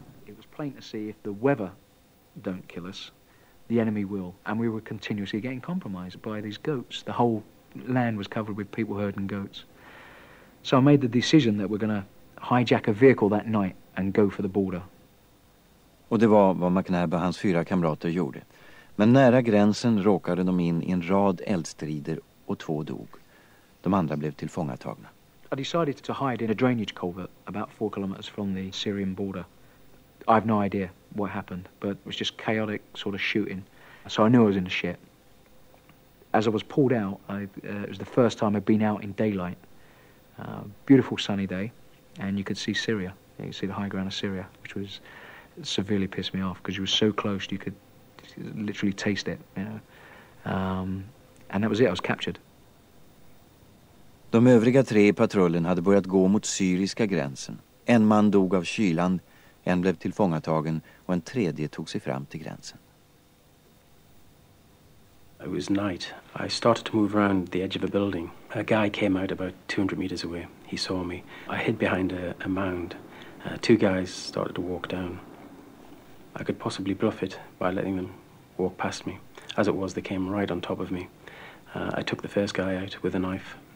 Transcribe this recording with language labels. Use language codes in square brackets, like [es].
[en] It was plain to see if the weather don't kill us, the enemy will. And we were continuously getting compromised by these goats. The whole land was covered with people herding goats. So I made the decision that we're going to hijack a vehicle that night and go for the border. [sv] Och det var vad McNabb och hans 4 kamrater gjorde. Men nära gränsen råkade de in i en rad eldstrider och 2 dog. De andra blev tillfångatagna. [en] I decided to hide in a drainage culvert about 4 kilometers from the Syrian border. I have no idea what happened, but it was just chaotic sort of shooting. So I knew I was in the shit. As I was pulled out, it was the first time I'd been out in daylight. Beautiful sunny day, and you could see Syria. You could see the high ground of Syria, which was severely pissed me off because you were so close, you could literally taste it. You know, and that was it. I was captured. [sv] De övriga 3 i patrullen hade börjat gå mot syriska gränsen. En man dog av kylan. En blev tillfångatagen och en tredje tog sig fram till gränsen. [en] It was night. I started to move around the edge of a building. A guy came out about 200 meters away. He saw me. I hid behind a mound. Two guys started to walk down. I could possibly bluff it by letting them walk past me. As it was, they came right on top of me. I took the first guy out with a knife.